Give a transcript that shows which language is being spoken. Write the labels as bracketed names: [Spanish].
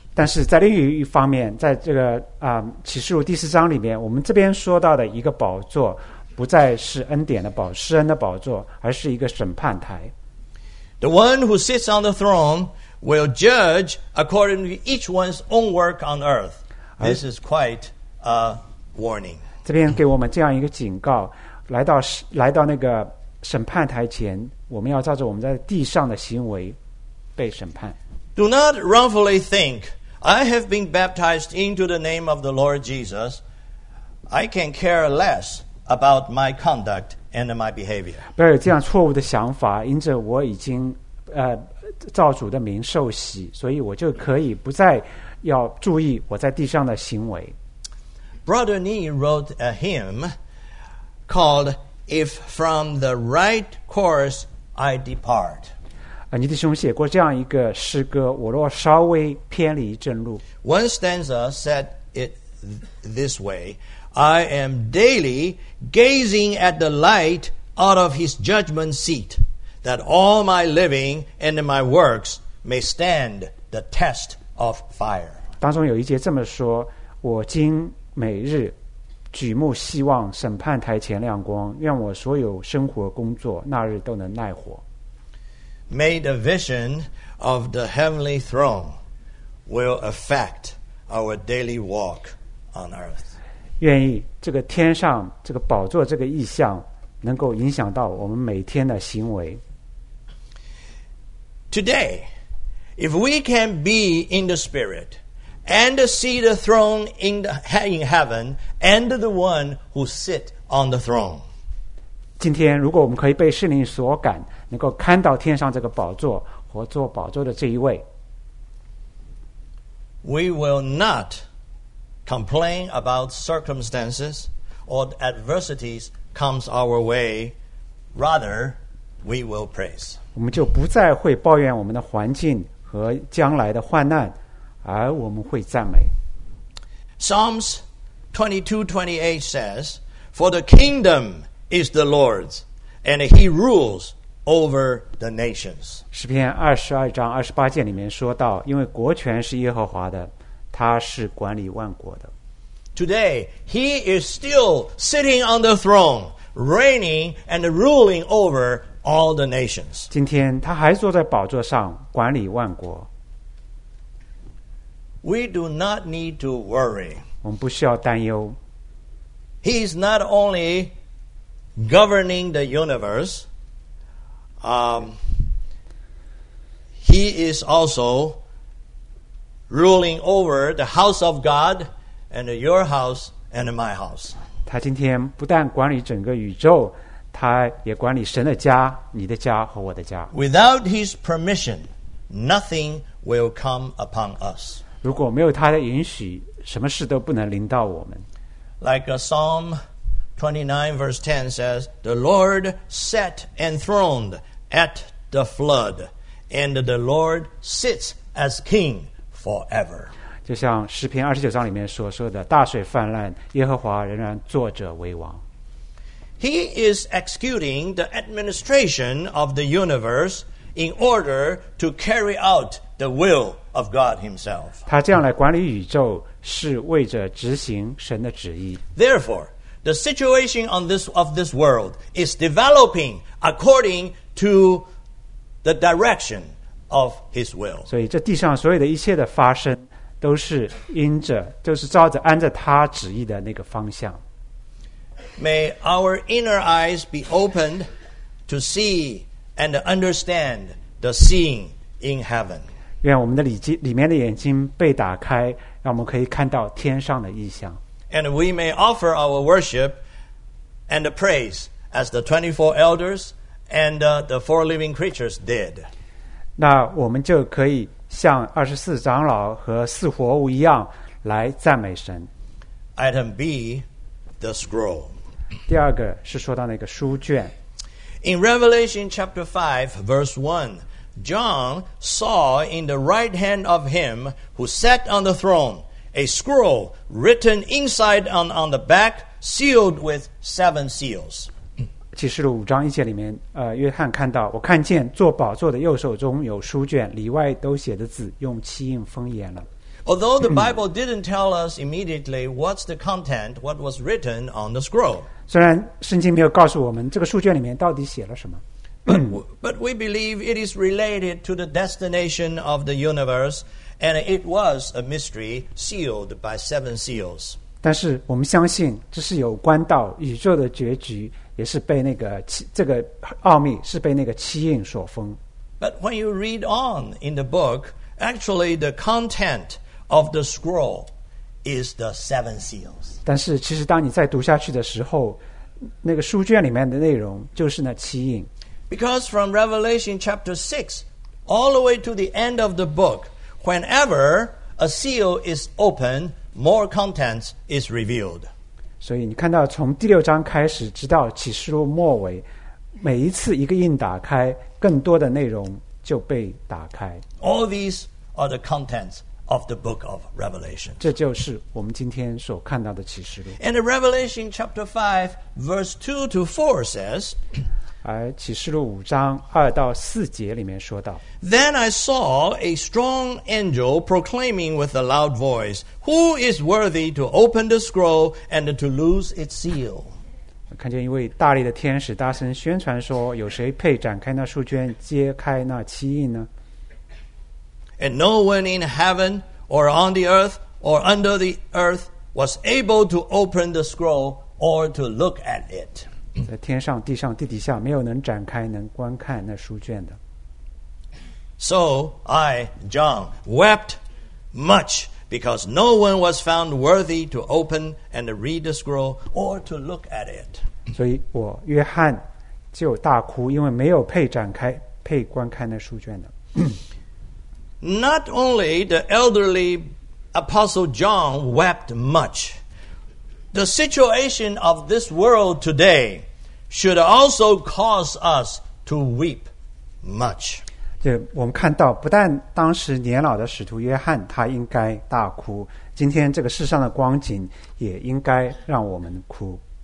[Chinese] 但是在另一方面，在这个启示录第四章里面，我们这边说到的一个宝座不再是恩典的宝，施恩的宝座，而是一个审判台。 [English] The one who sits on the throne will judge according to each one's own work on earth. This is quite a warning. [Chinese] 这边给我们这样一个警告，来到那个审判台前，我们要照着我们在地上的行为被审判。 [English] Do not wrongfully think, I have been baptized into the name of the Lord Jesus. I can care less about my conduct and my behavior. [Chinese] 不要有这样错误的想法，因着我已经照主的名受洗，所以我就可以不再要注意我在地上的行为。 [English] Brother Nee wrote a hymn called If From the Right Course I Depart. [Chinese] 尼弟兄写过这样一个诗歌，我若稍微偏离正路。 [English] One stanza said it this way, I am daily gazing at the light out of his judgment seat, that all my living and my works may stand the test of fire. [Chinese] 当中有一节这么说，我今每日举目希望审判台前亮光，愿我所有生活工作那日都能耐火。 [English] Made a vision of the heavenly throne will affect our daily walk on earth. [Chinese] 愿意这个天上这个宝座这个意象能够影响到我们每天的行为。 [English] Today, if we can be in the Spirit and see the throne in heaven and the one who sit on the throne. [Chinese] 今天如果我们可以被圣灵所感，能够看到天上这个宝座和坐宝座的这一位， [English] We will not complain about circumstances or adversities comes our way. Rather, we will praise. [Chinese] 我们就不再会抱怨我们的环境和将来的患难，而我们会赞美。 [English] Psalms 22:28 says, For the kingdom is the Lord's, and he rules over the nations. [Chinese] 诗篇二十二章二十八节里面说到，因为国权是耶和华的，他是管理万国的。 [English] Today, he is still sitting on the throne, reigning and ruling over all the nations. [Chinese] 今天他还坐在宝座上管理万国。 [English] We do not need to worry. [Chinese] 我们不需要担忧。 [English] He is not only governing the universe, he is also ruling over the house of God and your house and my house. [Chinese] 他今天不但管理整个宇宙，他也管理神的家，你的家和我的家。 [English] Without his permission, nothing will come upon us. [Chinese] 如果没有他的允许，什么事都不能临到我们。 [English] Like a Psalm 29 verse 10 says, The Lord sat enthroned at the flood, and the Lord sits as king forever. [Chinese] 就像诗篇二十九章里面所说的，大水泛滥，耶和华仍然坐着为王。 [English] He is executing the administration of the universe in order to carry out the will. Of God Himself. [Chinese] 他这样来管理宇宙，是为着执行神的旨意。 [English] Therefore, the situation of this world is developing according to the direction of His will. [Chinese] 所以，这地上所有的一切的发生，都是因着，就是照着按着他旨意的那个方向。 [English] May our inner eyes be opened to see and understand the seeing in heaven. [Chinese] 愿我们的里面的眼睛被打开，让我们可以看到天上的异象。 [English] And we may offer our worship and praise as the 24 elders and the four living creatures did. [Chinese] 那我们就可以像二十四长老和四活物一样来赞美神。 [English] Item B, the scroll. [Chinese] 第二个是说到那个书卷。 [English] In Revelation chapter 5, verse 1,John saw in the right hand of him who sat on the throne a scroll written inside and on the back sealed with seven seals. [Chinese] 启示录五章一节里面，约翰看到，我看见坐宝座的右手中有书卷，里外都写的字用七印封严了。 [English] Although the Bible didn't tell us immediately what's the content, what was written on the scroll. [Chinese] 虽然圣经没有告诉我们这个书卷里面到底写了什么。 [English] But we believe it is related to the destination of the universe, and it was a mystery sealed by seven seals. [Chinese] 但是我们相信这是有关到宇宙的结局，也是被那个这个奥秘是被那个七印所封。 [English] But when you read on in the book, actually the content of the scroll is the seven seals. [Chinese] 但是其实当你再读下去的时候，那个书卷里面的内容就是那七印。 [English] Because from Revelation chapter 6 all the way to the end of the book, whenever a seal is opened, more contents is revealed. [Chinese] 所以你看到从第六章开始直到启示录末尾，每一次一个印打开，更多的内容就被打开。 [English] All these are the contents of the book of Revelation. [Chinese] 这就是我们今天所看到的启示录。 [English] And Revelation chapter 5 verse 2 to 4 says, [Chinese] 而启示录五章二到四节里面说到 [English] Then I saw a strong angel proclaiming with a loud voice, Who is worthy to open the scroll and to lose its seal? [Chinese] 看见一位大力的天使大声宣传说有谁配展开那书卷揭开那七印呢 [English] And no one in heaven or on the earth or under the earth was able to open the scroll or to look at it. [Chinese] 在天上地上地底下没有能展开能观看那书卷的。 [English] So I, John, wept much because no one was found worthy to open and read the scroll or to look at it. [Chinese] 所以我约翰就大哭因为没有配展开配观看那书卷的。 [English] Not only the elderly Apostle John wept much. The situation of this world today should also cause us to weep much. [Chinese] 对，我们看到，不但当时年老的使徒约翰他应该大哭，今天这个世上的光景也应该让我们哭。